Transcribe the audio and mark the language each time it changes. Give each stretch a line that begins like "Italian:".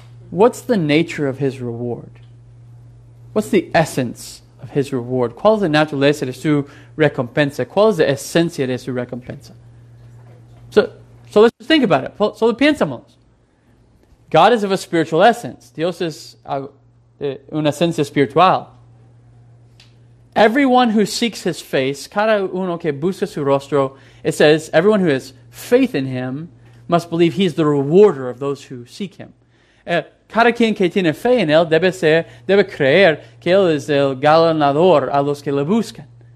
English: What's the nature of his reward? What's the essence of his reward?
Spanish: ¿Cuál es la naturaleza de su recompensa? ¿Cuál es la esencia de su recompensa?
English: So let's just think about it.
Spanish: So pensamos.
English: God is of a spiritual essence.
Spanish: Dios es una esencia espiritual.
English: Everyone who seeks his face,
Spanish: cada uno que busca su rostro,
English: it says, everyone who has faith in him must believe he is the rewarder of those who seek him.
Spanish: Cada quien que tiene fe en él debe creer que él es el galardonador a los que le buscan.